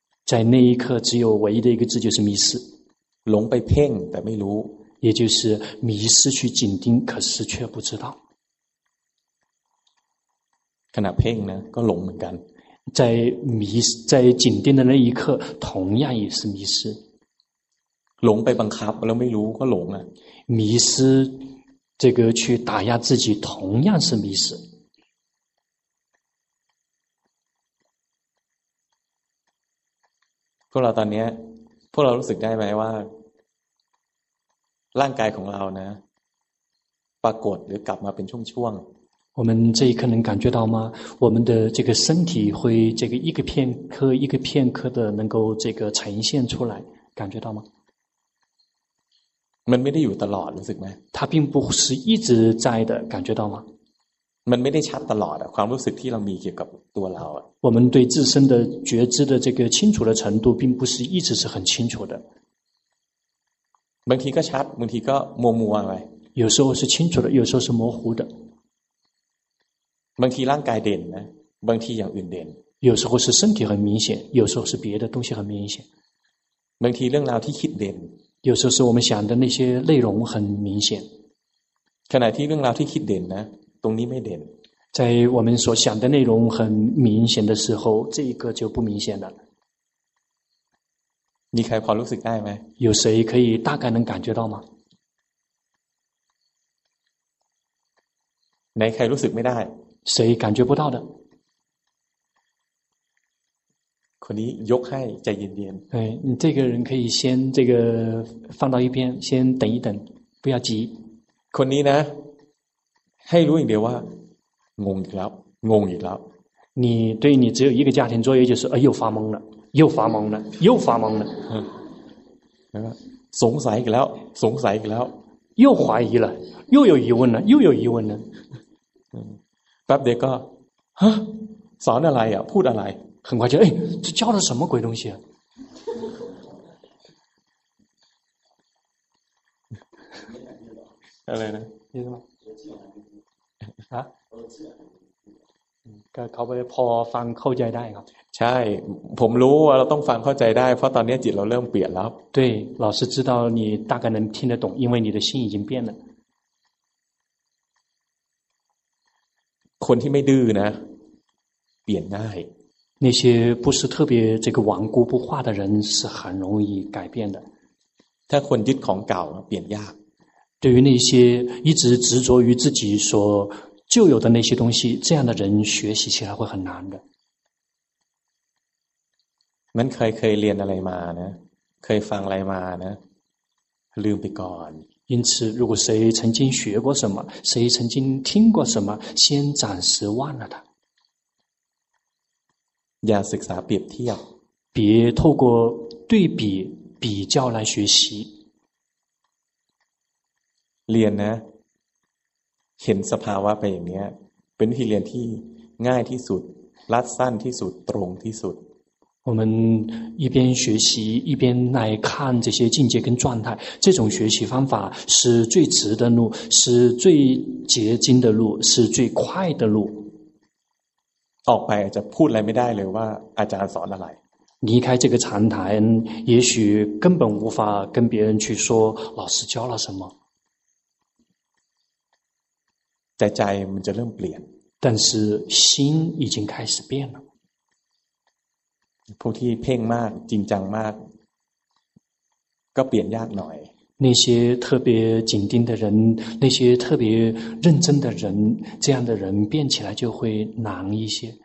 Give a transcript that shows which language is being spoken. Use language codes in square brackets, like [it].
[zh] 在那一刻只有唯一的一个字就是迷失 [th] หลงไปเพ่งแต่ไม่รู้ [zh] 也就是迷失去紧盯可是却不知道 [th] ขณะเพ่งนะก็หลงเหมือนกัน [zh] 在紧盯的那一刻同样也是迷失 [th] หลงไปบังคับแล้วไม่รู้ก็หลงอ่ะ [zh] 迷失这个去打压自己同样是迷失 [th] พวกเราตอนนี้พวกเรารู้สึกได้ไหมว่าร่างกายของเรานะปรากฏหรือกลับมาเป็นช่วงๆ [zh] 我们这一刻能感觉到吗我们的这个身体会这个一个片刻一个片刻的能够这个呈现出来感觉到吗 [th] มันไม่ได้อยู่ตลอดรู้สึกไหม [zh] 它并不是一直在的感觉到吗 [th] มันไม่ได้ชัดตลอดอะความรู้สึกที่เรามีเกี่ยวกับตัวเราอะ [zh] 我们对自身的觉知的这个清楚的程度并不是一直是很清楚的 [th] บางทีก็ชัดบางทีก็มัวมัวไป [zh] 有时候是清楚的有时候是模糊的 [th] บางทีร่างกายเด่นนะบางทีอย่างอื่นเด่น [zh] 有时候是身体很明显有时候是别的东西很明显 [th] บางทีเรื่องราวที่คิดเด่น [zh] 有时候是我们想的那些内容很明显 [th] ขณะที่เรื่องราวที่คิดเด่นนะตรงนี้ไม่เด่น [zh] 在我们所想的内容很明显的时候这一个就不明显了 [th] มีใครพอรู้สึกได้ไหม [zh] 有谁可以大概能感觉到吗 [th] ไหนใครรู้สึกไม่ได้ [zh] 谁感觉不到的 [th] คนนี้ยกให้ใจเย็นๆ [zh] 对你这个人可以先这个放到一边先等一等不要急 [th] คนนี้นะให้รู้อย่างเดียวว่างงอีกแล้วงงอีกแล้ว [zh] 你对你只有一个家庭作业就是哎又发懵了又发懵了又发懵了 [th] สงสัยอีกแล้วสงสัยอีกแล้ว [zh] 又怀疑了又有疑问了又有疑问了 [th] แป๊บเดียวก็ฮะสอนอะไรอ่ะพูดอะไร [zh] 很快就哎这教了什么鬼东西啊 [th] อะไรนะ ยินดีครับฮะก็เขาไปพอฟังเข้าใจได้ครับ ใช่ผมรู้ว่าเราต้องฟังเข้าใจได้เพราะตอนนี้จิตเราเริ่มเปลี่ยนแล้ว [zh] 对老师知道你大概能听得懂因为你的心已经变了 [th] คนที่ไม่ดื้อนะเปลี่ยนง่าย [zh] 那些不是特别这个顽固不化的人是很容易改变的 [th] ถ้าคนยึดของเก่าเปลี่ยนยาก [zh] 对于那些一直执着于自己所旧有的那些东西，这样的人学习起来会很难的。 [th] มันเคยเรียนอะไรมานะ，เคยฟังอะไรมานะ，ลืมไปก่อน。 [zh] 因此，如果谁曾经学过什么，谁曾经听过什么，先暂时忘了它。 [th] อย่าศึกษาเปรียบเทียบ。 [zh] 别透过对比比较来学习。 [th] เรียนนะเห็นสภาวะไปอย่างนี้เป็นวิธีเรียนที่ง่ายที่สุดรัดสั้นที่สุดตรงที่สุด [zh] 我们一边学习一边来看这些境界跟状态这种学习方法是最直的路是最捷径的路是最快的路 [th] ออกไปจะพูดอะไรไม่ได้เลยว่าอาจารย์สอนอะไร [zh] 离开这个禅堂也许根本无法跟别人去说老师教了什么 [th] แต่ใจมันจะเริ่มเปลี่ยน [zh] 但是心已经开始变了 [th] พวกที่เพ่งมากจริงจังมากก็เปลี่ยนยากหน่อย [zh] 那些特别紧盯的人那些特别认真的人这样的人变起来就会难一些